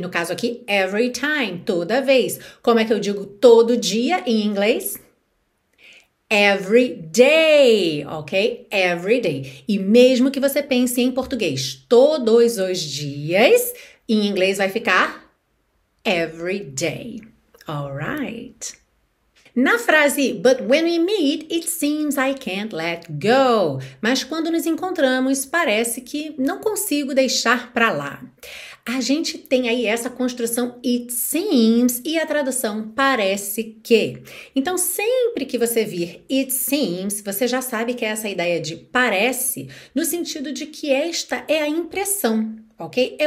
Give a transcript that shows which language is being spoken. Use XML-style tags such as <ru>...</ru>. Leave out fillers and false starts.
<pt>No caso aqui,</pt> <en>every time,</en> <pt>toda vez. Como é que eu digo todo dia em inglês?</pt> <en>Every day, ok? Every day.</en> <pt>E mesmo que você pense em português todos os dias, em inglês vai ficar every day.</pt> <en>Alright.</en> <pt>Na frase,</pt> <en>but when we meet, it seems I can't let go.</en> <pt>Mas quando nos encontramos, parece que não consigo deixar pra lá. A gente tem aí essa construção it seems e a tradução parece que. Então, sempre que você vir it seems, você já sabe que é essa ideia de parece, no sentido de que esta é a impressão, ok?</pt>